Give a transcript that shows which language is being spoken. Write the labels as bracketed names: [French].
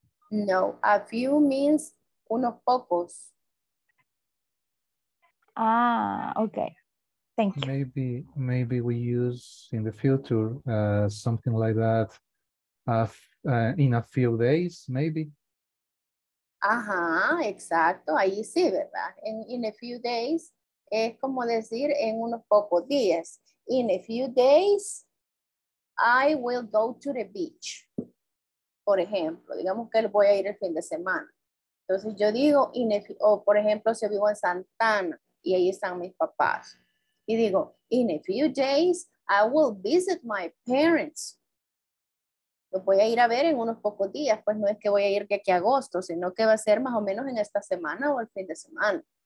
[English] No, a few means [Spanish] unos pocos. [English] Ah, okay. Thank you. Maybe we use in the future something like that in a few days, maybe. [Spanish] Ajá, exacto. Ahí sí, ¿verdad? [English] In a few days [Spanish] es como decir en unos pocos días. [English] In a few days, I will go to the beach. [Spanish] Por ejemplo, digamos que voy a ir el fin de semana. Entonces yo digo, por ejemplo, si vivo en Santana y ahí están mis papás. Y digo, [English] in a few days, I will visit my parents. [Spanish] Lo voy a ir a ver en unos pocos días, pues no es que voy a ir de aquí a agosto, sino que va a ser más o menos en esta semana o el fin de semana.